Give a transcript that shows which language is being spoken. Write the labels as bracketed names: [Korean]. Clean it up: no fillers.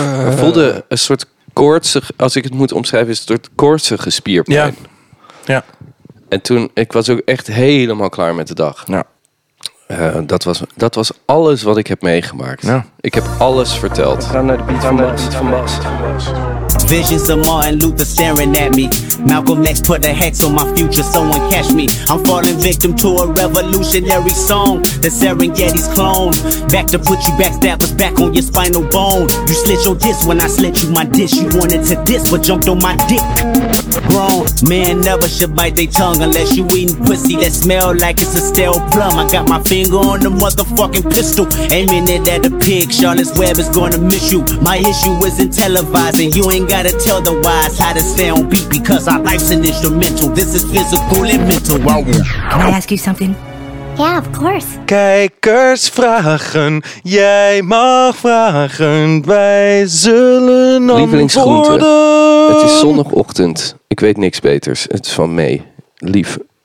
[Dutch] Ik voelde een soort koortsig... Als ik het moet omschrijven, is het een soort koortsige spierpijn. Ja. Ja. En toen... Ik was ook echt helemaal klaar met de dag. Ja. Dat was alles wat ik heb meegemaakt. Ja. Ik heb alles verteld. We gaan naar de beat van Bas. [English] Visions of Martin Luther staring at me. Malcolm X put a hex on my future, someone catch me. I'm falling victim to a revolutionary song. The Serengeti's clone. Back to put you backstabbers back on your spinal bone. You slit your disc when I slit you my dish. You wanted to diss but jumped on my dick. Grown man never should bite their tongue unless you eating pussy that smell like it's a stale plum. I got my finger on the motherfucking pistol, aiming it at a pig. Charlotte's Web is gonna miss you. My issue isn't televising. You ain't gotta tell the wise how to stay on beat because our life's an instrumental. This is physical and mental. Can I ask you something? [Dutch] Ja, [English] of course. [Dutch] Kijkers vragen, jij mag vragen, wij zullen antwoorden. Lievelingsgroenten, het is zondagochtend, ik weet niks beters, het is van mee, lief.